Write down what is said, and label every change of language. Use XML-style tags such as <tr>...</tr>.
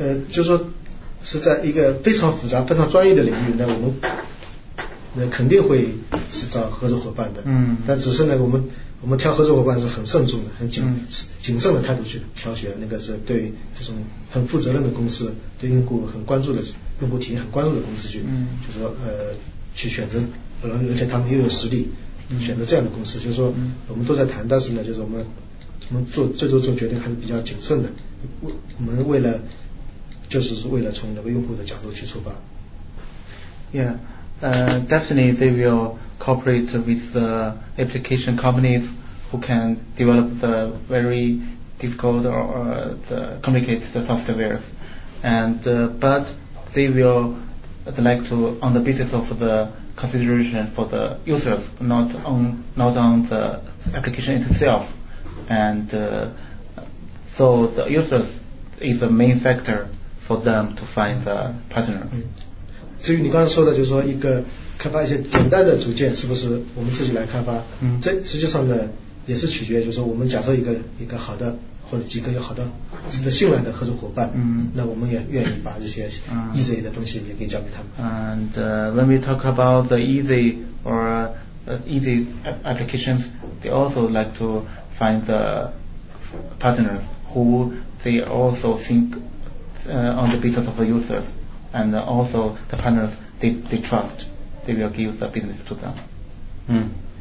<zh>就说是在一个非常复杂非常专业的领域那我们那肯定会是找合作伙伴的但只是呢我们挑合作伙伴是很慎重的很谨慎的态度去挑选那个是对这种很负责任的公司对用户很关注的用户体验很关注的公司去就说去选择而且他们又有实力选择这样的公司就是说我们都在谈但是呢就是我们做最终这种决定还是比较谨慎的我们为了就是为了从那个用户的角度去出发</zh> <en>Yeah, definitely they will cooperate with the application companies who can develop the very difficult or the complicated software and, but they will like to on the basis of the consideration for the users not on the application itselfand so the user is the main factor for them to find the partner</en> <zh>至于你刚才说的就是说一个开发一些简单的组件是不是我们自己来开发这实际上呢也是取决就是说我们假设一个好的或者几个有好的值得信赖的合作伙伴那我们也愿意把这些 easy 的东西也给交给他们</zh> <en>and when we talk about the easy or easy applications they also like toFind the partners who they also think on the basis of the users, and also the partners they trust, they will give the business to them.</en>